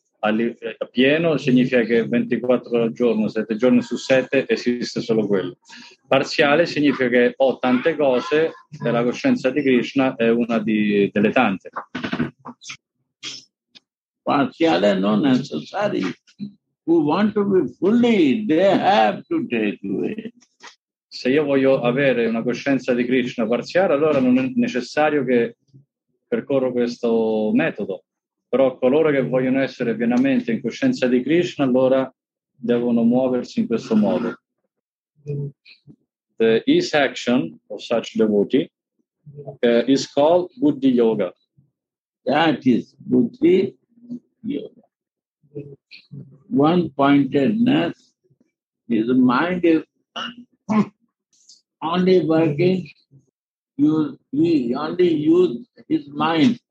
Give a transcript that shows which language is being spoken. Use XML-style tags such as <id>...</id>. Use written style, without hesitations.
<it>A pieno significa che 24 ore al giorno, 7 giorni su 7 esiste solo quello. Parziale significa che ho tante cose e la coscienza di Krishna è una delle tante. Parziale non</it> <en>necessary. Who want to be fully, they have to take it.</en> <it>Se io voglio avere una coscienza di Krishna parziale, allora non è necessario che percorro questo metodo. Però coloro che vogliono essere pienamente in coscienza di Krishna, allora devono muoversi in questo modo.</it> <en>The east action of such devotee is called Buddhi Yoga. That is Buddhi Yoga. One-pointedness is the mind is only working, he only use his mind.</en>